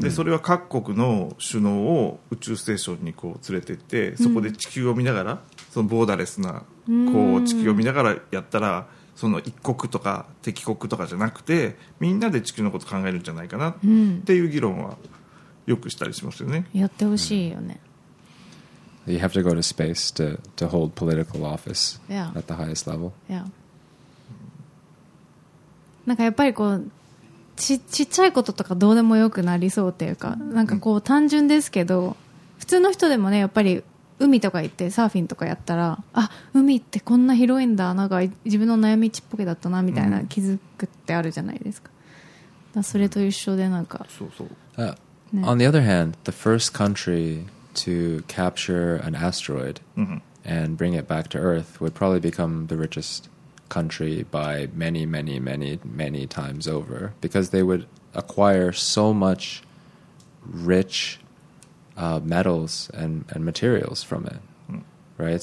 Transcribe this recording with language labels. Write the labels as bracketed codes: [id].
[ja] でそれは各国の首脳を宇宙ステーションにこう連れてって、そこで地球を見ながら、そのボーダレスなこう地球を見ながらやったら、その一国とか敵国とかじゃなくて、みんなで地球のこと考えるんじゃないかなっていう議論はよくしたりしますよね。やってほしいよね。 [en] You have to go to space to hold political office at the highest level. Yeah. [ja] なんかやっぱりこう ちっちゃいこととかどうでもよくなりそうっていうか、なんかこう単純ですけど、普通の人でもね、やっぱり海とか行ってサーフィンとかやったら、あ、海ってこんな広いんだ、なんか自分の悩みちっぽけだったなみたいな気づくってあるじゃないですか。だからそれと一緒でなんか、そうそう。 [en] On the other hand, the first country to capture an asteroid and bring it back to Earth would probably become the richest country by many, many, many, many times over, because they would acquire so much rich metals and materials from it, right?